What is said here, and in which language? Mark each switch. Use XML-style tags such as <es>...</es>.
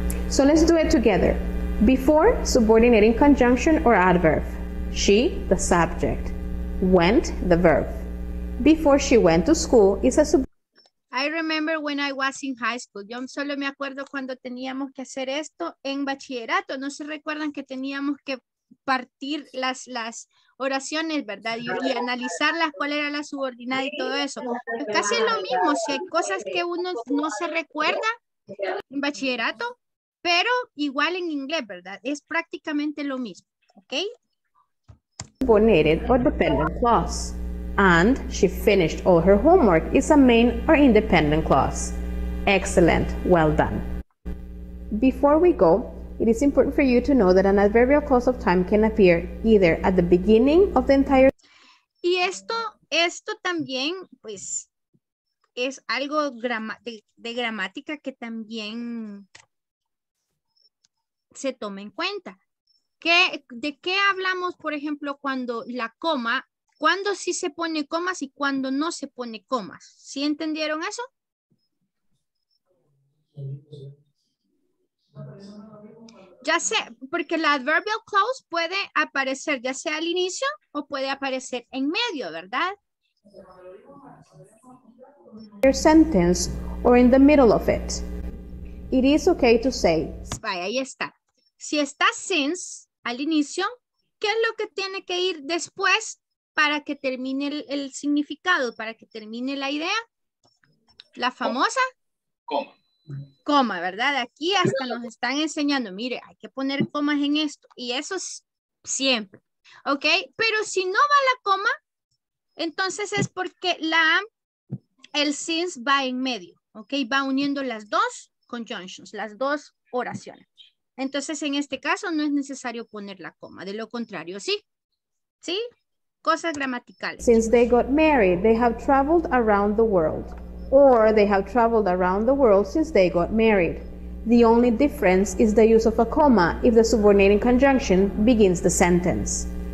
<en>So, let's do it together. Before, subordinating conjunction or adverb. She, the subject. Went, the verb. Before she went to school is a sub. I remember when I was in high school.</en> <es>Yo solo me acuerdo cuando teníamos que hacer esto en bachillerato. ¿No se recuerdan que teníamos que partir las oraciones, verdad? Y analizarlas, cuál era la subordinada y todo eso. Pero casi es lo mismo. Si hay cosas que uno no se recuerda en bachillerato, pero igual en inglés, ¿verdad? Es prácticamente lo mismo, ¿ok?</es> <en>Subordinated or dependent clause. And she finished all her homework is a main or independent clause. Excellent. Well done. Before we go, it is important for you to know that an adverbial clause of time can appear either at the beginning of the entire...</en> <es>Y esto también, pues, es algo de gramática que también se toma en cuenta. ¿Qué, de qué hablamos, por ejemplo, cuando la coma, cuando sí se pone comas y cuando no se pone comas? ¿Sí entendieron eso? Ya sé, porque la adverbial clause puede aparecer ya sea al inicio o puede aparecer en medio, ¿verdad?</es> <en>Your sentence or in the middle of it. It is okay to say.</en> <es>Vaya, ahí está. Si está since al inicio, ¿qué es lo que tiene que ir después para que termine el significado, para que termine la idea? La famosa coma, ¿verdad? Aquí hasta nos están enseñando, mire, hay que poner comas en esto, y eso es siempre, ¿ok? Pero si no va la coma, entonces es porque el since va en medio, ¿ok? Va uniendo las dos conjunctions, las dos oraciones. Entonces, en este caso, no es necesario poner la coma. De lo contrario, sí. ¿Sí? Cosas gramaticales.</es> <en>Since they got married, they have traveled around the world. Or they have traveled around the world since they got married. The only difference is the use of a comma if the subordinating conjunction begins the sentence.</en>